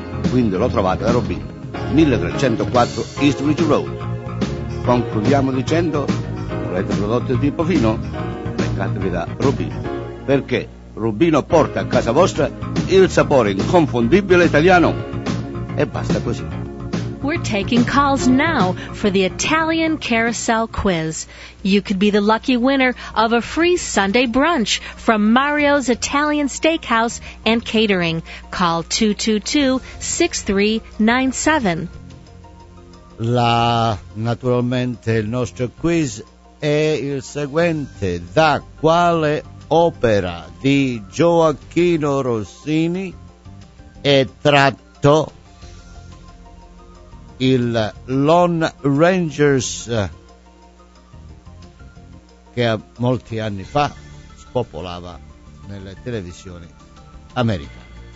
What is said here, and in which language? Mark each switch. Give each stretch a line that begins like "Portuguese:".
Italian: Quindi lo trovate da Robin, 1304 East Ridge Road. Concludiamo dicendo, volete prodotti di tipo fino? Beccatevi da Robin, perché Rubino porta a casa vostra il sapore inconfondibile italiano. E basta così.
English: We're taking calls now for the Italian Carousel Quiz. You could be the lucky winner of a free Sunday brunch from Mario's Italian Steakhouse and Catering. Call 222-6397.
Italian: La, naturalmente, il nostro quiz è il seguente. Da quale opera di Gioachino Rossini è tratto il Lone Rangers, che molti anni fa spopolava nelle televisioni americane?